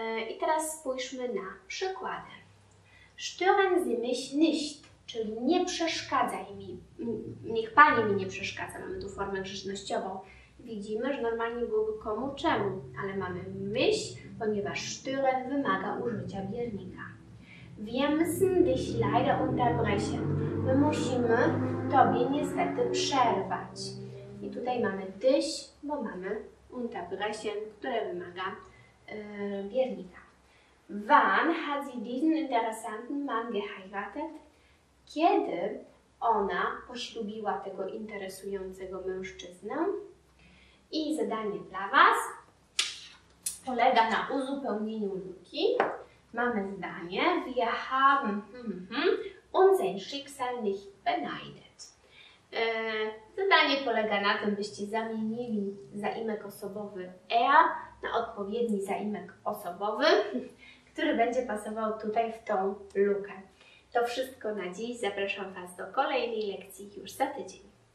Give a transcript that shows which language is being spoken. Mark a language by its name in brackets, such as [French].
[Polish] I teraz spójrzmy na przykłady. [German] Stören Sie mich nicht, [Polish] czyli nie przeszkadzaj mi, niech Pani mi nie przeszkadza, mamy tu formę grzecznościową. Widzimy, że normalnie byłoby komu, czemu, ale mamy myśl, ponieważ stören wymaga użycia biernika. [German] Wir müssen dich leider unterbrechen. [Polish] My musimy Tobie niestety przerwać. I tutaj mamy dich, bo mamy unterbrechen, które wymaga biernika. [German] Wann hat sie diesen interessanten Mann geheiratet? [Polish] Kiedy ona poślubiła tego interesującego mężczyznę? I zadanie dla Was polega na uzupełnieniu luki. Mamy zdanie. [German] Wir haben unser Schicksal nicht beneidet. [Polish] Zadanie polega na tym, byście zamienili zaimek osobowy er na odpowiedni zaimek osobowy, który będzie pasował tutaj w tą lukę. To wszystko na dziś. Zapraszam Was do kolejnej lekcji już za tydzień.